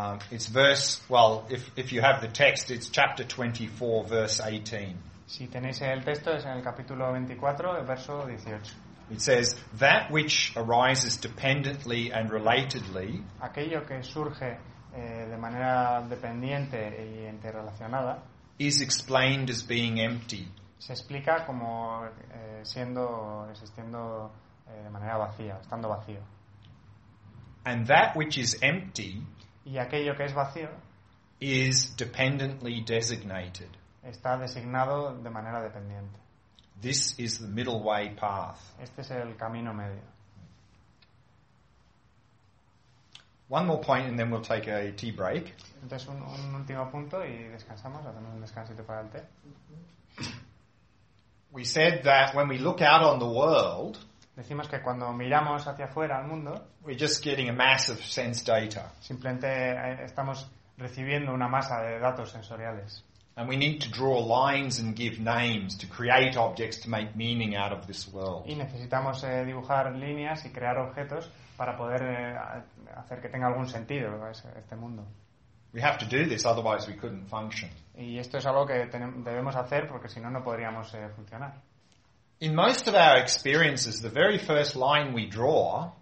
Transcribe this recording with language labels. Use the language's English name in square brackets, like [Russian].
[English] It's verse, well, if you have the text, it's chapter 24 verse 18. [Spanish] Si tenéis el texto, es en el capítulo 24, el verso 18. [English] It says, that which arises dependently and relatedly, [Spanish] aquello que surge de manera dependiente y interrelacionada, [English] is explained as being empty. [Spanish] Se explica como siendo, existiendo de manera vacía, estando vacío. [English] And that which is empty, [Spanish] y aquello que es vacío, [English] is dependently designated. [Spanish] Está designado de manera dependiente. [English] This is the middle way path. [Spanish] Este es el camino medio. [English] One more point and then we'll take a tea break. [Spanish] Entonces un último punto y descansamos, hacemos un descansito para el té. [English] We said that when we look out on the world, [Spanish] decimos que cuando miramos hacia afuera al mundo, [English] we're just getting a mass of sense data. [Spanish] Simplemente estamos recibiendo una masa de datos sensoriales. [English] And we need to draw lines and give names to create objects to make meaning out of this world. [Spanish] Y necesitamos dibujar líneas y crear objetos para poder hacer que tenga algún sentido este mundo. [English] We have to do this, otherwise we couldn't function. [Spanish] Y esto es algo que debemos hacer porque si no no podríamos funcionar. [English] In most of our experiences, the very first line we draw.